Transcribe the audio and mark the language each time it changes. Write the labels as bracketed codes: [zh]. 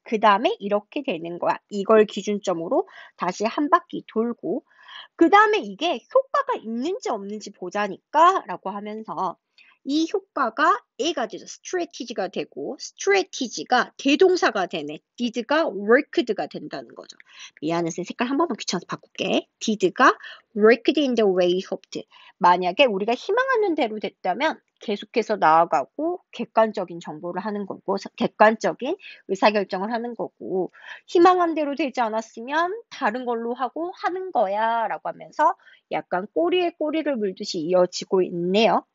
[ko] 그 다음에 이렇게 되는 거야. 이걸 기준점으로 다시 한 바퀴 돌고, 그 다음에 이게 효과가 있는지 없는지 보자니까 라고 하면서, 이 효과가 A가 되죠. Strategy가 되고, Strategy가 대동사가 되네. Did가 worked가 된다는 거죠. 미안해, 색깔 한 번만 귀찮아서 바꿀게. [en] Did가 worked in the way hoped. [ko] 만약에 우리가 희망하는 대로 됐다면 계속해서 나아가고 객관적인 정보를 하는 거고, 객관적인 의사결정을 하는 거고, 희망한 대로 되지 않았으면 다른 걸로 하고 하는 거야 라고 하면서 약간 꼬리에 꼬리를 물듯이 이어지고 있네요.